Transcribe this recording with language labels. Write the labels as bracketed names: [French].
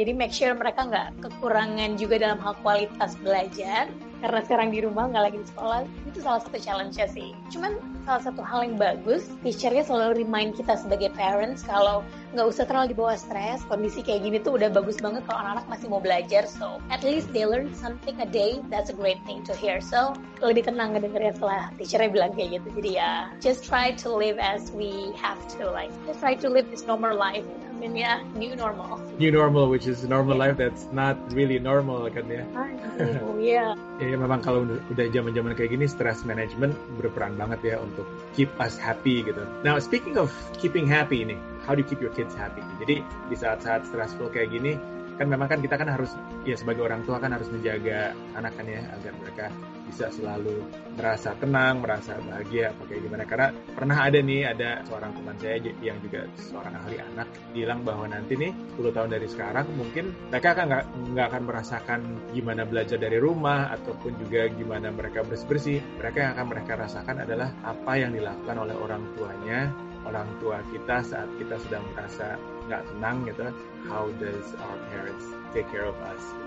[Indonesian] Jadi [English] make sure [Indonesian] mereka nggak kekurangan juga dalam hal kualitas belajar, karena sekarang di rumah nggak lagi di sekolah, itu salah satu challenge-nya sih. Cuman salah satu hal yang bagus, teacher-nya selalu remind kita sebagai parents kalau nggak usah terlalu dibawa stres, kondisi kayak gini tuh udah bagus banget kalau anak-anak masih mau belajar. [English] So at least they learn something a day, that's a great thing to hear. [Indonesian] So lebih tenang ngedengernya setelah teacher-nya bilang kayak gitu. Jadi ya, [English] just try to live as we have to, like just try to live this normal life. New normal, which is normal life that's not really normal [Indonesian] kan ya. Yeah, memang kalau udah zaman kayak gini, stress management berperan banget ya untuk [English] keep us happy [Indonesian] gitu. [English] Now speaking of keeping happy nih, how do you keep your kids happy? [Indonesian] Jadi di saat-saat stressful kayak gini kan, memang kan kita kan harus ya sebagai orang tua kan harus menjaga anak kan ya, agar mereka bisa selalu merasa tenang, merasa bahagia, pakai gimana. Karena pernah ada nih, ada seorang teman saya yang juga seorang ahli anak, bilang bahwa nanti nih 10 tahun dari sekarang mungkin mereka akan nggak akan merasakan gimana belajar dari rumah ataupun juga gimana mereka bersih-bersih. Mereka yang akan mereka rasakan adalah apa yang dilakukan oleh orang tuanya, orang tua kita saat kita sedang merasa nggak tenang gitu. [English] How does our parents take care of us?